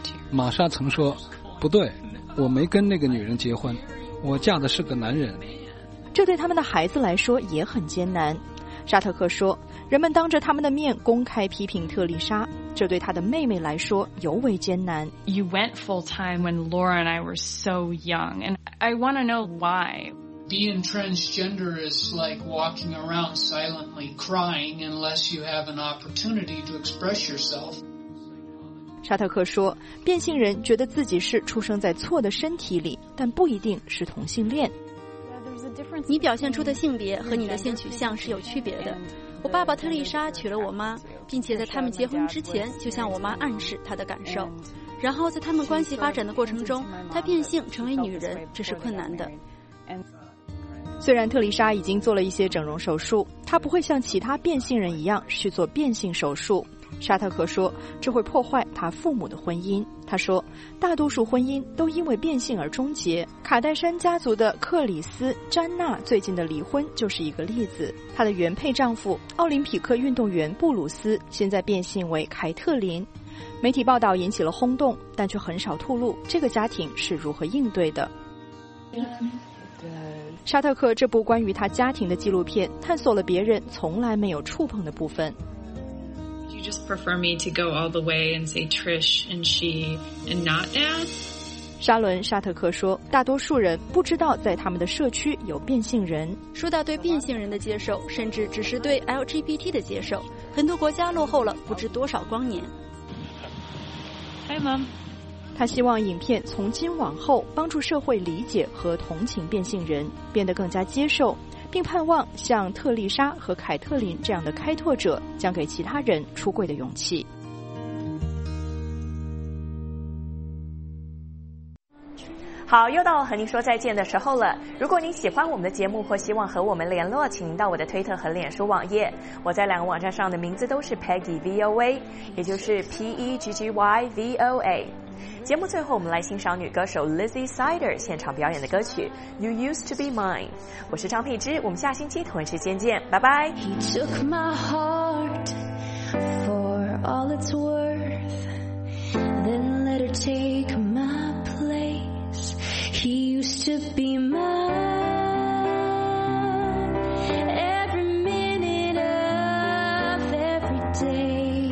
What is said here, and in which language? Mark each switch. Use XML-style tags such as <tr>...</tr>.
<zh>玛莎曾说，不对，我没跟那个女人结婚，我嫁的是个男人。这对他们的孩子来说也很艰难。沙特克说，人们当着他们的面公开批评特丽莎，这对她的妹妹来说尤为艰难。</zh> <en>You went full time when Laura and I were so young, and I want to know why. Being transgender is like walking around silently crying unless you have an opportunity to express yourself.</en> <zh>沙特克说，变性人觉得自己是出生在错的身体里，但不一定是同性恋。你表现出的性别和你的性取向是有区别的。我爸爸特丽莎娶了我妈，并且在他们结婚之前就向我妈暗示她的感受，然后在他们关系发展的过程中，她变性成为女人，这是困难的。虽然特丽莎已经做了一些整容手术，她不会像其他变性人一样去做变性手术。沙特克说，这会破坏他父母的婚姻。他说，大多数婚姻都因为变性而终结。卡戴珊家族的克里斯·詹娜最近的离婚就是一个例子。她的原配丈夫，奥林匹克运动员布鲁斯，现在变性为凯特琳。媒体报道引起了轰动，但却很少透露这个家庭是如何应对的。沙特克这部关于他家庭的纪录片，探索了别人从来没有触碰的部分。</zh> <en>Just prefer me to go all the way and say Trish and she and not Dad?</en> <zh>沙伦·沙特克说，大多数人不知道在他们的社区有变性人。说到对变性人的接受，甚至只是对 LGBT 的接受，很多国家落后了不知多少光年。</zh> <en>Hi, Mom.</en> <zh>他希望影片从今往后帮助社会理解和同情变性人，变得更加接受。并盼望像特丽莎和凯特琳这样的开拓者将给其他人出柜的勇气。好，又到和您说再见的时候了。如果您喜欢我们的节目或希望和我们联络，请到我的推特和脸书网页，我在两个网站上的名字都是 Peggy VOA， 也就是 PEGGYVOA。节目最后，我们来欣赏女歌手 Lizzie Sider 现场表演的歌曲 You Used to Be Mine。我是张佩芝，我们下星期同一时间见，拜拜。</zh> <en>He took my heart for all it's worth, then let her take my place. He used to be mine every minute of every day</en>